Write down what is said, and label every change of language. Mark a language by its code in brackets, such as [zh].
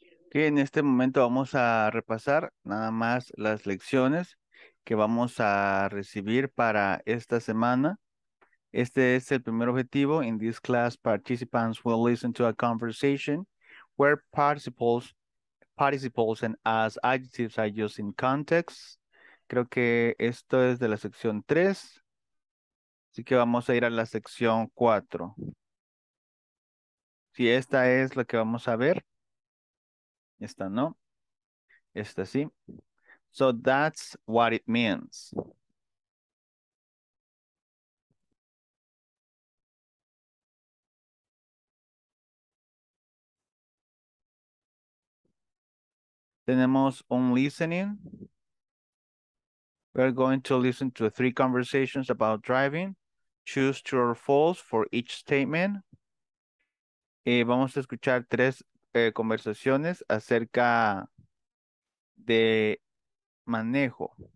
[es] Que en este momento vamos a repasar nada más las lecciones que vamos a recibir para esta semana. Este es el primer objetivo. [en] In this class, participants will listen to a conversation where participles and as adjectives are used in context. [es] Creo que esto es de la sección 3. Así que vamos a ir a la sección 4. Sí, esta es la que vamos a ver. Esta no. Esta sí. [en] So that's what it means. [es] Tenemos un listening. [en] We're going to listen to three conversations about driving. Choose true or false for each statement. [es] Vamos a escuchar tres conversaciones acerca de manejo.